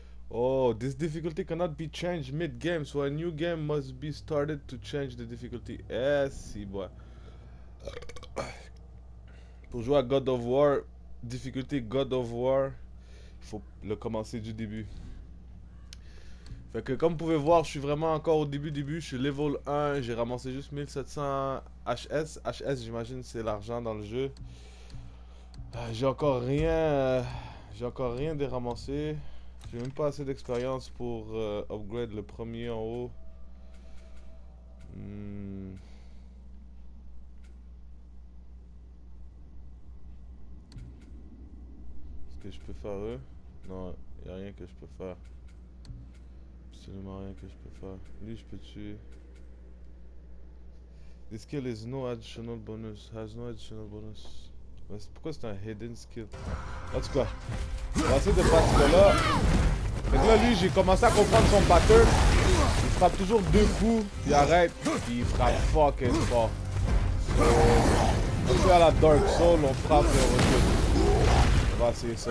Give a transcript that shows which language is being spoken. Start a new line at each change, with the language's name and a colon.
English: Oh, this difficulty cannot be changed mid-game, so a new game must be started to change the difficulty.
French: Eh, si, boy. Pour jouer à God of War, difficulté God of War, il faut le commencer du début. Fait que comme vous pouvez voir, je suis vraiment encore au début, je suis level 1, j'ai ramassé juste 1700 HS. HS, j'imagine, c'est l'argent dans le jeu. J'ai encore rien déramassé. J'ai même pas assez d'expérience pour upgrade le premier en haut. Est-ce que je peux faire eux? Non, y a rien que je peux faire. Absolument rien que je peux faire. Lui, je peux tuer.
English: This skill is no additional bonus. Has no additional bonus.
French: Mais pourquoi c'est un hidden skill? En tout cas, on va essayer de passer de là. Donc là, lui, j'ai commencé à comprendre son pattern. Il frappe toujours deux coups, il arrête, puis il frappe fucking fort. On fait à la Dark Soul, on frappe et on recule. On va essayer ça.